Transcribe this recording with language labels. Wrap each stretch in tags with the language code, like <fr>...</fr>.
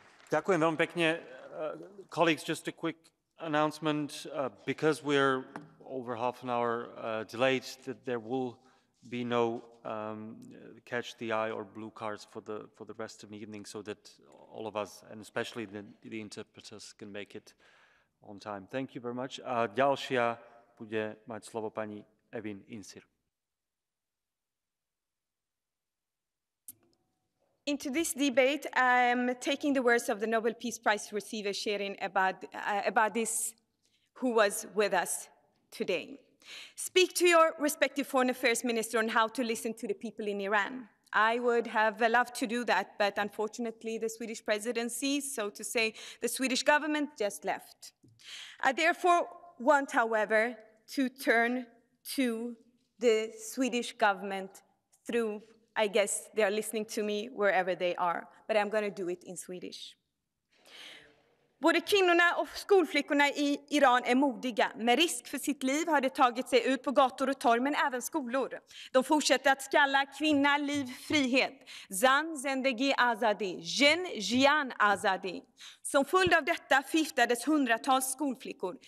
<sk>Ďakujem veľmi pekne.</sk> <en>Colleagues, just a quick announcement. Because we're over half an hour delayed, that there will be no catch the eye or blue cards for the rest of the evening, so that all of us, and especially the interpreters, can make it on time. Thank you very much.</en> <sk>A ďalšia bude mať slovo pani Evin Insir.</sk> <en>Into this debate, I am taking the words of the Nobel Peace Prize receiver sharing about this who was with us today. Speak to your respective foreign affairs minister on how to listen to the people in Iran. I would have loved to do that, but unfortunately the Swedish presidency, so to say, the Swedish government just left. I therefore want, however, to turn to the Swedish government through, I guess they are listening to me wherever they are, but I'm going to do it in Swedish.</en> <sv>Både kvinnorna och skolflickorna i Iran är modiga. Med risk för sitt liv har de tagit sig ut på gator och torg, men även skolor. De fortsätter att skalla kvinna, liv, frihet.</sv> <fa>Zan, zendegi, azadi.</fa> <ku>Jen, jian, azadi.</ku> <sv>Som följd av detta förgiftades hundratals skolflickor.</sv>